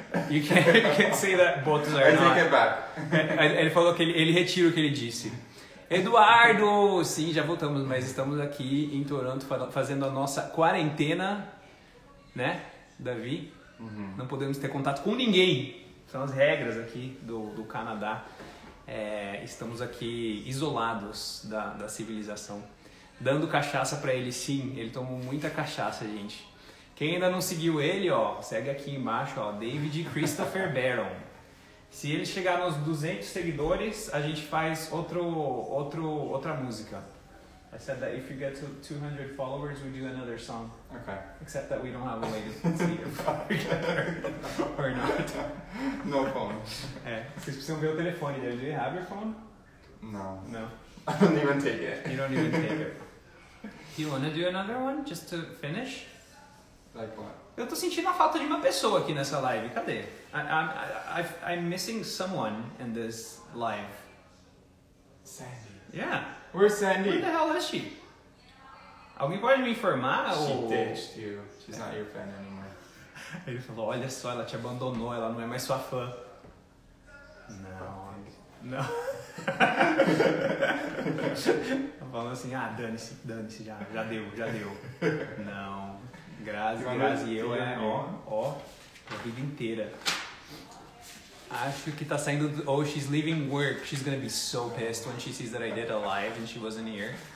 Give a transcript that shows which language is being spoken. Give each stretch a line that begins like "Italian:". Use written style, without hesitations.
English: You can't say that botos are not. I take it back.
Portuguese: Ele falou que ele retira o que ele disse. Eduardo, sim, já voltamos, mas estamos aqui em Toronto fazendo a nossa quarentena, né, Davi? Uhum. Não podemos ter contato com ninguém. São as regras aqui do Canadá. Estamos aqui isolados da civilização. Dando cachaça pra ele, sim. Ele tomou muita cachaça, gente. Quem ainda não seguiu ele, ó, segue aqui embaixo, ó, David Christopher Baron. Se ele chegar nos 200 seguidores, a gente faz outra música.
English: I said that if you get to 200 followers, we do another song. Okay. Except that we don't have a way to see your phone. Or not. No phone.
Portuguese: Vocês precisam ver o telefone dele.
English: Do you have your phone? No. No. I don't even take it. You don't even take it. Do you want to do another one just to finish? Like what?
Portuguese: Eu tô sentindo a falta de uma pessoa aqui nessa live. Cadê?
English: I'm missing someone in this live. Sandy. Yeah. Where's Sandy? Where the hell is she?
Portuguese: Alguém pode me informar?
English: She ditched you. She's not your fan anymore.
Portuguese: Ele falou, olha só, ela te abandonou, ela não é mais sua fã. Não. Tá falando assim, ah, dane-se, já deu. Não. Grazi, eu é, ó, a vida inteira. Acho que tá saindo,
English: she's leaving work. She's gonna be so pissed when she sees that I did a live and she wasn't here.